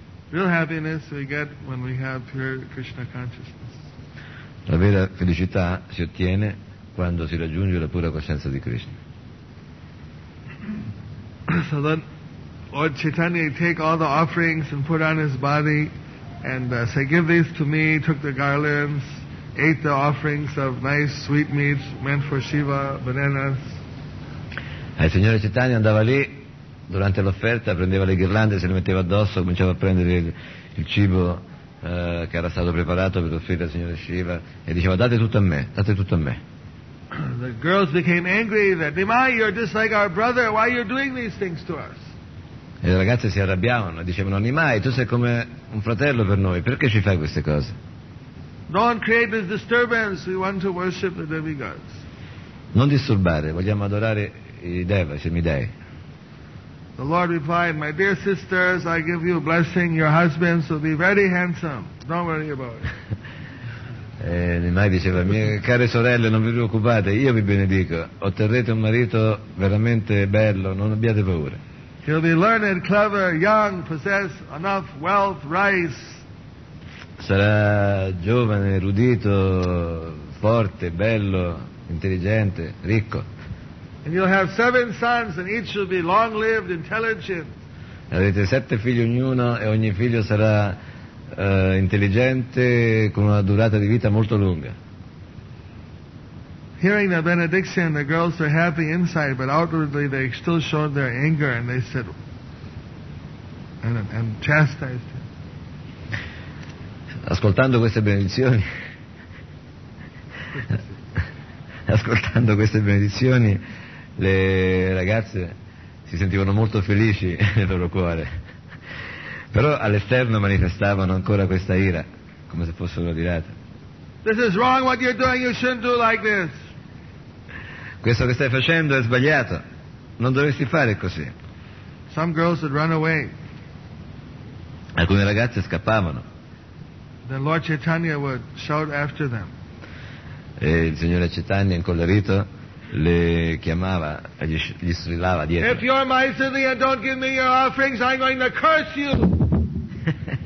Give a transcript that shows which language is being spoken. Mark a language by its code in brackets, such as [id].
[en] Real happiness we get when we have pure Krishna consciousness. [it] La vera felicità si ottiene quando si raggiunge la pura coscienza di Krishna. [en] So then Lord Chaitanya take all the offerings and put on his body and say, give these to me, took the garlands, ate the offerings of nice sweetmeats meant for Shiva, bananas. [it] Il signore Chaitanya andava lì durante l'offerta, prendeva le ghirlande, se le metteva addosso, cominciava a prendere il cibo che era stato preparato per offrire al signore Shiva e diceva, date tutto a me, date tutto a me. [en] The girls became angry that, Nimai, you're just like our brother, why are you doing these things to us? [it] E le ragazze si arrabbiavano e dicevano: animai, tu sei come un fratello per noi, perché ci fai queste cose? [en] Don't create this disturbance. We want to worship the demigods. [it] Non disturbare, vogliamo adorare i deva, i semidei. [en] The Lord replied, my dear sisters, I give you a blessing. Your husbands will be very handsome. Don't worry about it. [it] E Nimai diceva: mie care sorelle, non vi preoccupate, io vi benedico, otterrete un marito veramente bello, non abbiate paura. [en] He'll be learned, clever, young, possess enough wealth, rice. [it] Sarà giovane, erudito, forte, bello, intelligente, ricco. [en] And you'll have seven sons, and each will be long-lived, intelligent. [it] Avrete sette figli ognuno, e ogni figlio sarà intelligente, con una durata di vita molto lunga. [en] Hearing the benediction, the girls were happy inside, but outwardly they still showed their anger, and they said, and chastised him. [it] Ascoltando queste benedizioni, le ragazze si sentivano molto felici nel loro cuore, però all'esterno manifestavano ancora questa ira, come se fossero adirate. [en] This is wrong what you're doing, you shouldn't do like this. [it] Questo che stai facendo è sbagliato, non dovresti fare così. [en] Some girls would run away. [it] Alcune ragazze scappavano. [en] Then Lord Chaitanya would shout after them. [it] E il signore Chaitanya, incollerito, le chiamava, gli strillava dietro: [en] if you're miserly and don't give me your offerings, I'm going to curse you.